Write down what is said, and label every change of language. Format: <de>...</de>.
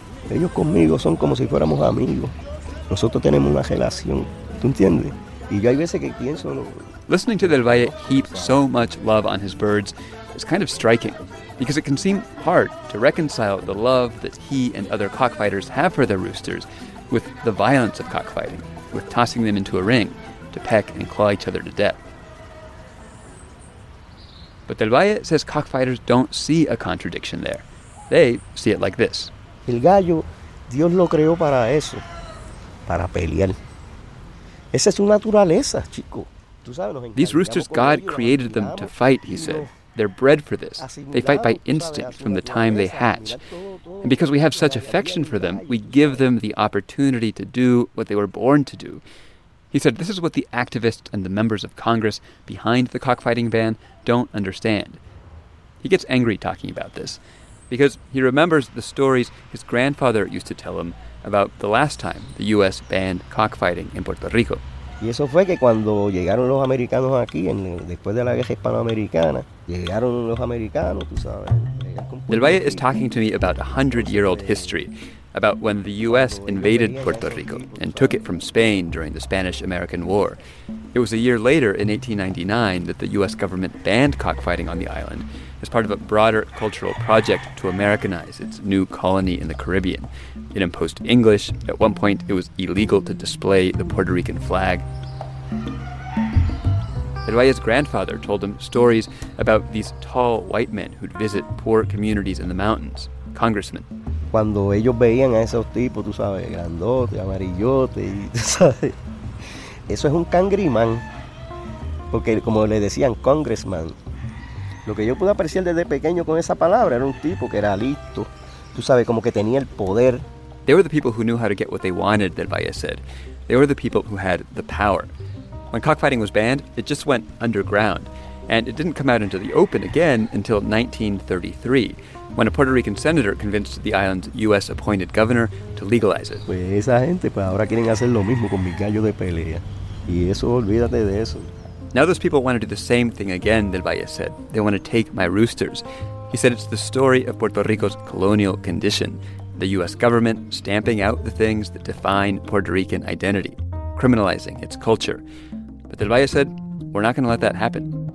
<es>Ellos conmigo son como si fuéramos amigos. Nosotros tenemos una relación, ¿tú entiendes? Y yo hay veces que pienso...</es> <en>Listening to Del Valle heap so much love on his birds is kind of striking, because it can seem hard to reconcile the love that he and other cockfighters have for their roosters with the violence of cockfighting, with tossing them into a ring to peck and claw each other to death. But Del Valle says cockfighters don't see a contradiction there. They see it like this. El gallo, Dios lo creó para eso, para pelear. Esa es su naturaleza, chico. These roosters, God created them to fight, he said. They're bred for this. They fight by instinct from the time they hatch. And because we have such affection for them, we give them the opportunity to do what they were born to do. He said this is what the activists and the members of Congress behind the cockfighting ban don't understand. He gets angry talking about this, because he remembers the stories his grandfather used to tell him about the last time the U.S. banned cockfighting in Puerto Rico.</en> <es>Y eso fue que cuando llegaron los americanos aquí, después de la guerra hispanoamericana, llegaron los americanos, tú sabes.</es> <en>Del Valle is talking to me about 100-year-old history, about when the U.S. invaded Puerto Rico and took it from Spain during the Spanish-American War. It was a year later, in 1899, that the U.S. government banned cockfighting on the island as part of a broader cultural project to Americanize its new colony in the Caribbean. It imposed English. At one point, it was illegal to display the Puerto Rican flag. Edwaya's grandfather told him stories about these tall white men who'd visit poor communities in the mountains, congressmen.</en> <es>Cuando ellos veían a esos tipos, tú sabes, grandote, amarillote, tú sabes, eso es un cangrimán, porque como le decían, congressman, lo que yo pude apreciar desde pequeño con esa palabra era un tipo que era listo, tú sabes, como que tenía el poder.</es> <en>They were the people who knew how to get what they wanted, that Valle said. They were the people who had the power. When cockfighting was banned, it just went underground, and it didn't come out into the open again until 1933, when a Puerto Rican senator convinced the island's U.S.-appointed governor to legalize it.</en> <es>Pues esa gente pues ahora quieren hacer lo mismo con mis gallos de pelea. Y eso, olvídate de eso.</es> <en>Now those people want to do the same thing again, Del Valle said. They want to take my roosters. He said it's the story of Puerto Rico's colonial condition, the U.S. government stamping out the things that define Puerto Rican identity, criminalizing its culture. But Del Valle said, we're not going to let that happen.</en>